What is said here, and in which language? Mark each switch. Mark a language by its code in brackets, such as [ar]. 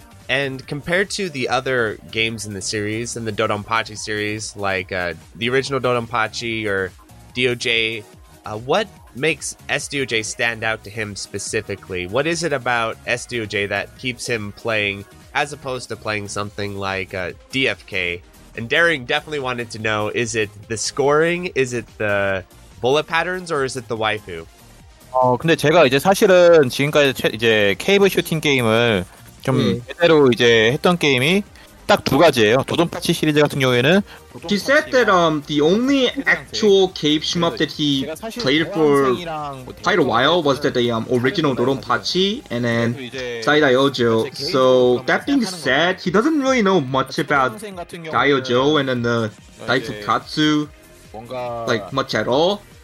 [en] And compared to the other games in the series, in the Dodonpachi series, like the original Dodonpachi or DOJ, what makes SDOJ stand out to him specifically? What is it about SDOJ that keeps him playing, as opposed to playing something like DFK? And Daring definitely wanted to know, is it the scoring, is it the bullet patterns, or is it the waifu? [ko] 근데 제가 이제 사실은 지금까지 이제 케이브 슈팅 게임을 좀 제대로 이제 했던 게임이 딱 두 가지예요. 도돈파치 시리즈 같은 경우에는 [en] He said that the only actual cave shmup that he played for quite a while was that the original Dodonpachi and then SaiDaiOuJou. So that being said, he doesn't really know much about SaiDaiOuJou and then the Daifukatsu like much at all.